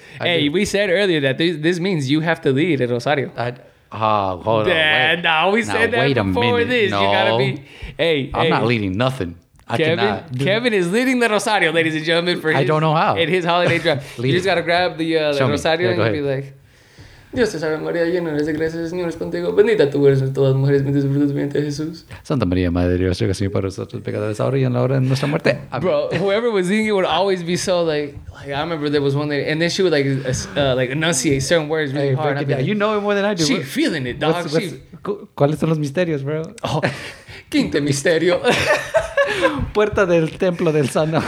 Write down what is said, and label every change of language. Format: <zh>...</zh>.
<en>Hey, we said earlier that this means you have to lead El Rosario. Wait a minute. No. You gotta be. Hey. I'm not leading nothing. Kevin is leading the Rosario, ladies and gentlemen, for I don't know how. In his holiday drive. You just gotta grab the Rosario and be like.</en> <es>Dios te salve María, llena eres de gracia, el Señor es contigo. Bendita tú eres entre todas las mujeres, bendito es el fruto de tu vientre, Jesús. Santa María, Madre de Dios, ruega por nosotros pecadores ahora y en la hora de nuestra muerte.</es> <en>Bro, whoever was singing it would always be so like I remember there was one day, and then she would like enunciate certain words really hard. Bro, yeah, like, you know it more than I do. She's feeling it, dog. What's,</en> <es>¿cuáles son los misterios, bro? Oh, quinto misterio. Puerta del templo del San.</es>